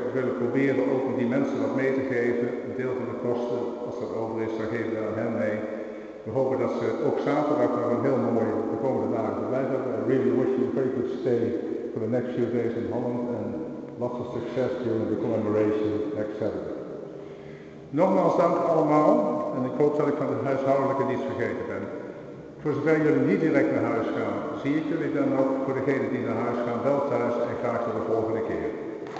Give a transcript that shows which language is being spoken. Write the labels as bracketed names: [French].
[Dutch] We willen proberen ook om die mensen wat mee te geven. Een deel van de kosten, als dat over is, dan geven we aan hen mee. We hopen dat ze ook zaterdag nog een heel mooi de komende dagen blijven. [English] I really wish you a very good stay for the next few days in Holland. And lots of success during the commemoration next Saturday. [Dutch] Nogmaals dank allemaal, en ik hoop dat ik van de huishoudelijke niets vergeten ben. Voor zover jullie niet direct naar huis gaan, zie ik jullie dan ook voor degenen die naar huis gaan, wel thuis en graag tot de volgende keer.